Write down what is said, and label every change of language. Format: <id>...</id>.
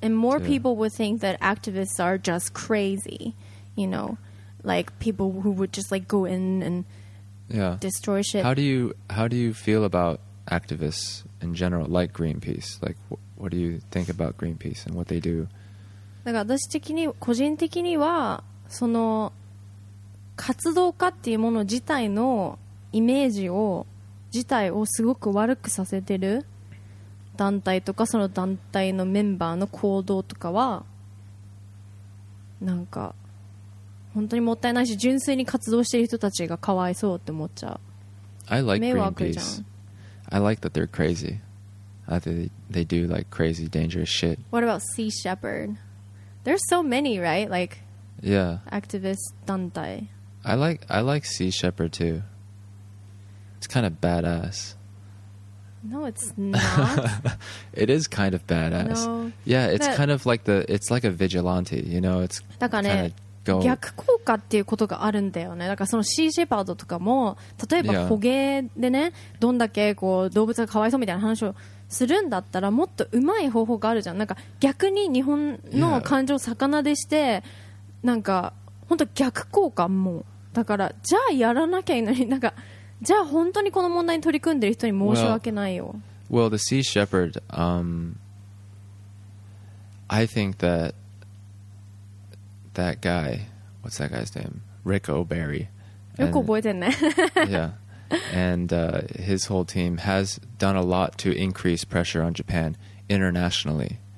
<en>and more people would think that activists are just crazy, you know, like people who would just like go in and destroy shit. How do you feel about activists in general, like Greenpeace? Like, what do you think about Greenpeace and what they do?</en> <ja>だから私的に個人的にはその活動家っていうもの自体のイメージを自体をすごく悪くさせてる団体とか、その団体のメンバーの行動とかはなんか本当にもったいないし、純粋に活動してる人たちがかわいそうって思っちゃう。</ja> <en>I like Greenpeace. I like that they're crazy. They do like crazy dangerous shit. What about Sea Shepherd? There's so many, right? Like, yeah,</en> <ja>activist 団体。</ja> <en>I like Sea Shepherd too. It's kind of badass. No, it's not. It is kind of badass. No. Yeah, it's kind of like it's like a vigilante, you know? It's kind of go...</en> <ja>逆効果っていうことがあるんだよね。だからそのシーシェパードとかも、例えば捕鯨でね、どんだけこう動物がかわいそうみたいな話をするんだったら、もっと上手い方法があるじゃん。なんか逆に日本の感情を逆なでして、なんか本当逆効果も。だからじゃあやらなきゃいいのに、なんかじゃあ本当にこの問題に取り組んでる人に申し訳ないよ。</ja> <en>Well, the sea shepherd, I think that that guy, what's that guy's name? Rick O'Berry.</en> <ja>よく覚えてんね。</ja> <en>Yeah. And his whole team has done a lot to increase pressure on Japan internationally.</en>